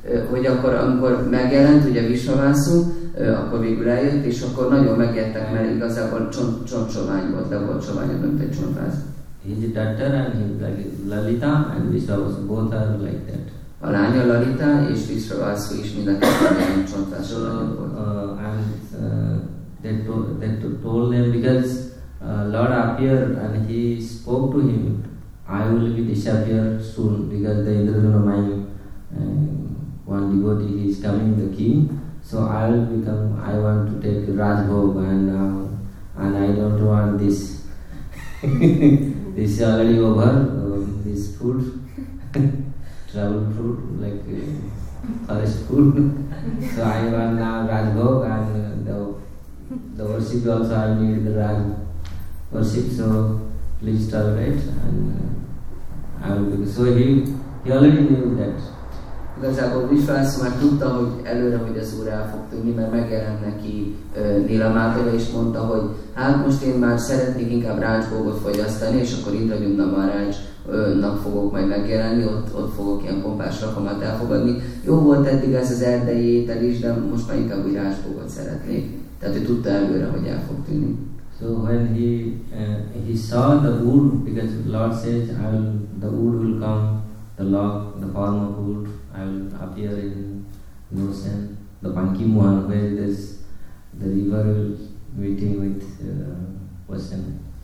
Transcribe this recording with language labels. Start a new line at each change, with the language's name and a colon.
Hungarian: hogy akkor amikor megjelent, ugye Visavászú, akkor végül eljött, és akkor nagyon megjelentek, mert igazából csontsovány volt, de volt sovány, mint egy csontváz.
English: His daughter and his like Lalita and Visavászú, both are like that.
Hungarian: A lánya Lalita és Vishva Vasu is mind a kettőnek csontás volt.
English: And they told them, because Lord appeared and he spoke to him, I will be disappeared soon, because the Indra-Guna mind, one devotee, he is coming, the king, so I want to take Rajbhog and I don't want this. This is already over, this food. Travel food, like forest food. So I want now Rajbhog and the worship also, I need the Raj worship, so please tolerate and I will be. So he already knew that.
Hungarian: Igazából Vishvasu már tudta, hogy előre, hogy az Úr el fog tűnni, mert megjelent neki Lila Mádava, és mondta, hogy hát most én már szeretnék inkább Rajbhogot fogyasztani, és akkor Indra Gyumna Maharaj nap fogok majd megjelenni, ott fogok ilyen pompás rakomat elfogadni. Jó volt eddig ez az erdei étel is, de most már inkább úgy Rajbhogot szeretnék. Tehát ő tudta előre, hogy el fog tűnni.
English: So when he saw the wood, because Lord says, the wood will come, the log, the form of wood, I will appear in Nosen, the Pankimuhan, where this the river will meeting with Vasen.